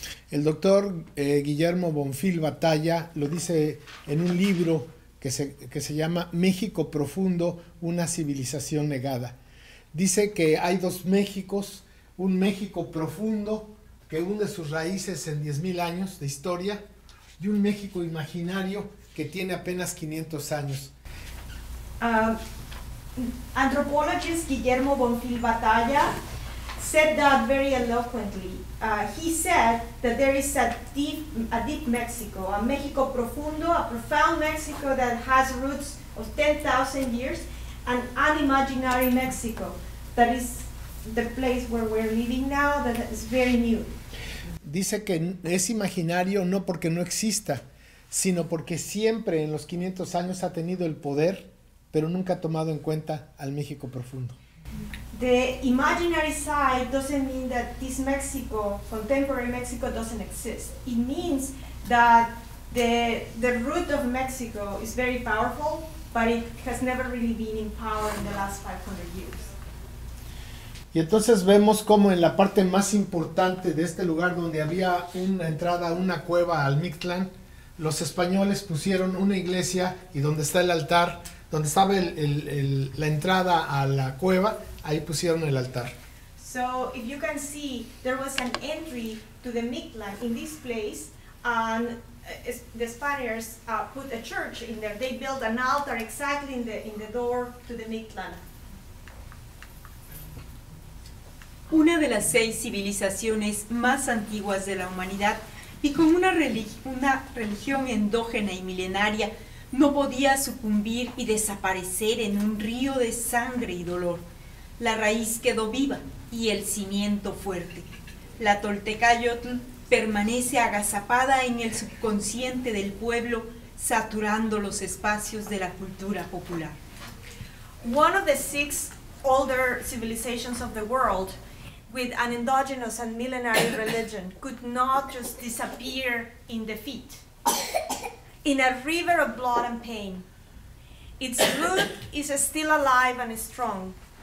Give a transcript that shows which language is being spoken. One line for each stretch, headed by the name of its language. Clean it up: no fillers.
Spanish: El doctor Guillermo Bonfil Batalla lo dice en un libro que se llama México Profundo, una civilización negada. Dice que hay dos Méxicos, un México profundo que hunde sus raíces en 10.000 años de historia y un México imaginario que tiene apenas 500 años.
English: Anthropologist Guillermo Bonfil Batalla said that very eloquently. He said that there is a deep Mexico, a Mexico profundo, a profound Mexico that has roots of 10,000 years, an unimaginary Mexico that is the place where we're living now that is very new.
Spanish: Dice que es imaginario no porque no exista, sino porque siempre en los 500 años ha tenido el poder, pero nunca ha tomado en cuenta al México profundo.
English: The imaginary side doesn't mean that this Mexico, contemporary Mexico, doesn't exist. It means that the root of Mexico is very powerful, but it has never really been in power in the last 500 years.
Spanish: Y entonces vemos cómo en la parte más importante de este lugar donde había una entrada a una cueva al Mictlán, los españoles pusieron una iglesia y donde está el altar, donde estaba la entrada a la cueva, ahí pusieron el altar.
English: So if you can see, there was an entry to the Mictlan in this place, and the Spaniards put a church in there. They built an altar exactly in the door to the Mictlan.
Spanish: Una de las seis civilizaciones más antiguas de la humanidad y con una religión endógena y milenaria no podía sucumbir y desaparecer en un río de sangre y dolor. La raíz quedó viva y el cimiento fuerte. La Toltecayotl permanece agazapada en el subconsciente del pueblo, saturando los espacios de la cultura popular.
English: One of the six older civilizations of the world with an endogenous and millenary religion could not just disappear in defeat. In a river of blood and pain, its root is still alive and strong.